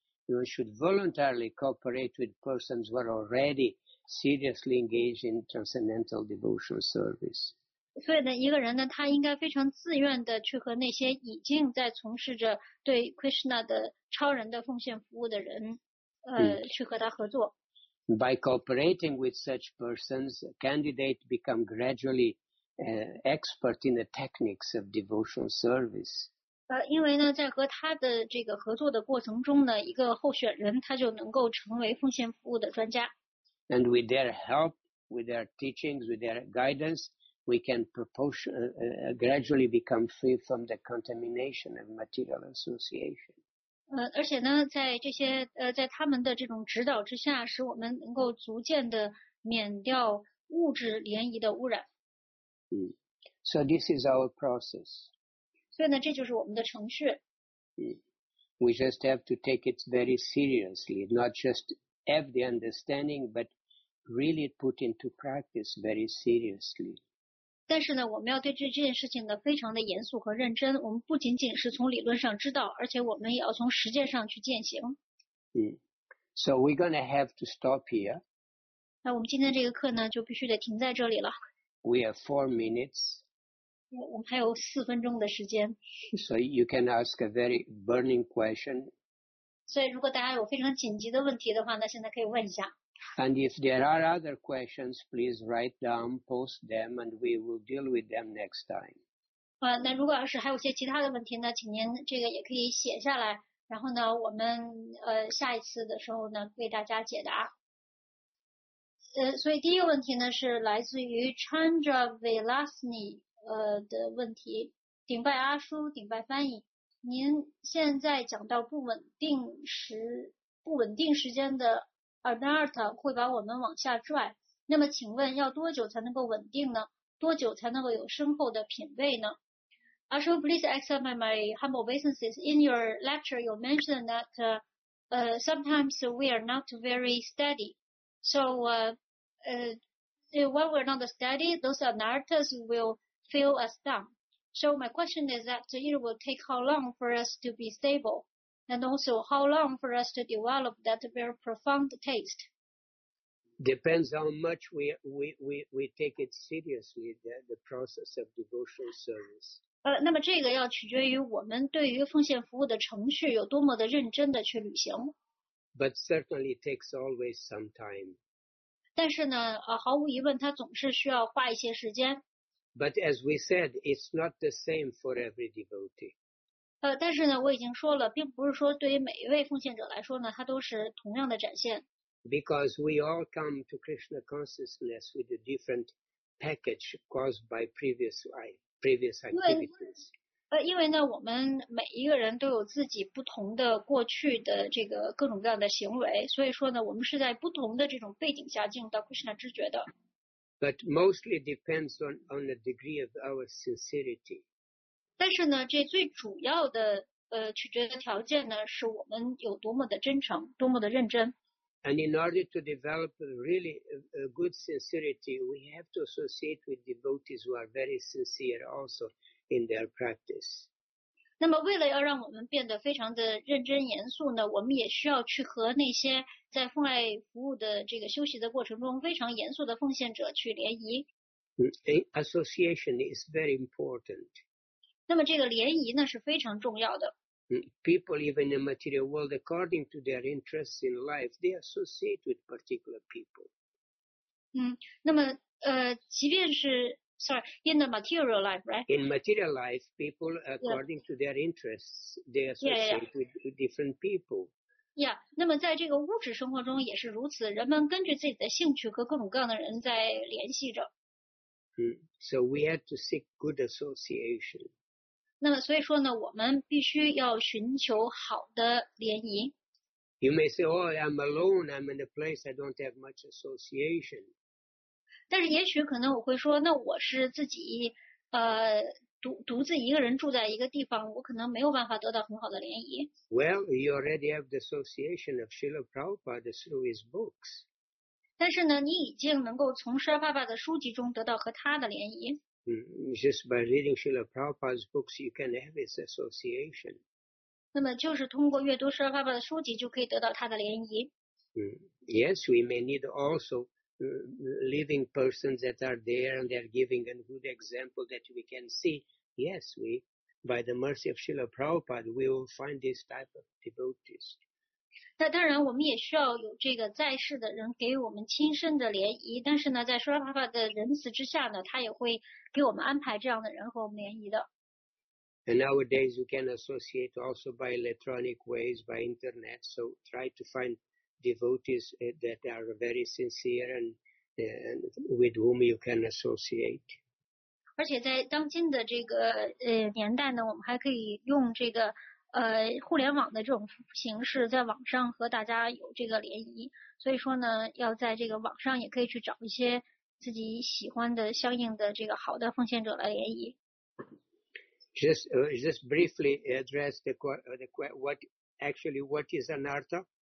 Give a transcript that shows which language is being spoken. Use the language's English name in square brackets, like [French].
[English] So as such, one should voluntarily cooperate with persons who are already seriously engaged in transcendental devotional service. [Chinese] 所以呢，一个人呢，他应该非常自愿的去和那些已经在从事着对 Krishna 的超人的奉献服务的人，去和他合作。 [English] By cooperating with such persons, a candidate become gradually expert in the techniques of devotional service. [Chinese] 因为呢，在和他的这个合作的过程中呢，一个候选人他就能够成为奉献服务的专家。 [English] And with their help, with their teachings, with their guidance. We can gradually become free from the contamination of material association. [Chinese] 而且呢，在这些在他们的这种指导之下，使我们能够逐渐的免掉物质涟漪的污染。 [English] So this is our process. [Chinese] 所以呢，这就是我们的程序。 [English] We just have to take it very seriously, not just have the understanding, but really put into practice very seriously. [Chinese] 但是呢，我们要对这件事情呢非常的严肃和认真。我们不仅仅是从理论上知道，而且我们也要从实践上去践行。 [English] So we're gonna have to stop here. [Chinese] 那我们今天这个课呢，就必须得停在这里了。 [English] We have 4 minutes. [Chinese] 我们还有四分钟的时间。 [English] So you can ask a very burning question. [Chinese] 所以如果大家有非常紧急的问题的话，那现在可以问一下。 [English] And if there are other questions, please write down, post them, and we will deal with them next time. [Chinese] 那如果要是还有些其他的问题呢，请您这个也可以写下来，然后呢，我们下一次的时候呢，为大家解答。所以第一个问题呢是来自于 Chandra Velasni 的问题，顶拜阿叔，顶拜翻译，您现在讲到不稳定时间的。 Anartha 会把我们往下拽，那么请问要多久才能够稳定呢？多久才能够有深厚的品位呢？ [English] Ashu, please accept my humble obeisances. In your lecture, you mentioned that sometimes we are not very steady. So when we're not steady, those Anarthas will feel us down. So my question is that it will take how long for us to be stable? And also, how long for us to develop that very profound taste? Depends how much we take it seriously, the process of devotional service. [Chinese] 那么这个要取决于我们对于奉献服务的程序有多么的认真的去履行。 [English] But certainly takes always some time. [Chinese] 但是呢，毫无疑问，它总是需要花一些时间。 [English] But as we said, it's not the same for every devotee. [Chinese] 但是呢，我已经说了，并不是说对于每一位奉献者来说呢，它都是同样的展现。 [English] Because we all come to Krishna consciousness with a different package caused by previous activities. [Chinese] 因为呢，我们每一个人都有自己不同的过去的这个各种各样的行为，所以说呢，我们是在不同的这种背景下进入到 Krishna 知觉的。 [English] But mostly depends on the degree of our sincerity. [Chinese] 但是呢，这最主要的取决的条件呢，是我们有多么的真诚，多么的认真。 [English] And in order to develop really a good sincerity, we have to associate with devotees who are very sincere also in their practice. [Chinese] 那么，为了要让我们变得非常的认真严肃呢，我们也需要去和那些在奉爱服务的这个休息的过程中非常严肃的奉献者去联谊。 [English] Association is very important. [Chinese] 那么这个联谊呢是非常重要的。 [English] People even in the material world, according to their interests in life, they associate with particular people. [Chinese] 那么即便是 [English] sorry, in the material life, right? In material life, people according to their interests, they associate with different people. [Chinese] Yeah, 那么在这个物质生活中也是如此，人们根据自己的兴趣和各种各样的人在联系着。 [English] So we had to seek good association. [Chinese] 那么所以说呢，我们必须要寻求好的联谊。 [English] You may say, "Oh, I'm alone. I'm in a place I don't have much association." [Chinese] 但是也许可能我会说，那我是自己独自一个人住在一个地方，我可能没有办法得到很好的联谊。 [English] Well, you already have the association of Srila Prabhupada through his books. [Chinese] 但是呢，你已经能够从 Srila Prabhupada 的书籍中得到和他的联谊。 [English] Just by reading Srila Prabhupada's books, you can have his association. [Chinese] 那么就是通过阅读释迦牟尼的书籍就可以得到他的联谊。 [English] Yes, we may need also living persons that are there and they're giving a good example that we can see. Yes, we, by the mercy of Srila Prabhupada, we will find this type of devotees. [Chinese] 那当然我们也需要有这个在世的人给我们亲身的联谊，但是呢，在释迦牟尼的仁慈之下呢，他也会给我们安排这样的人和我们联谊的。 [English] And nowadays you can associate also by electronic ways, by internet, so try to find devotees that are very sincere and with whom you can associate. [Chinese] 而且在当今的这个年代呢，我们还可以用这个互联网的这种形式在网上和大家有这个联谊，所以说呢，要在这个网上也可以去找一些自己喜欢的相应的这个好的奉献者来联谊。 [English] Just briefly address the what actually what is anartha?